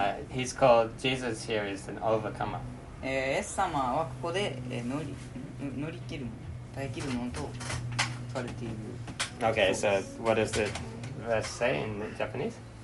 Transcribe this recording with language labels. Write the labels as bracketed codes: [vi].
[en] He's called Jesus here is an overcomer. [ja] イエス様はここで乗り切る耐え切るものと書かれている。 [en] Okay, so what does the verse say in Japanese?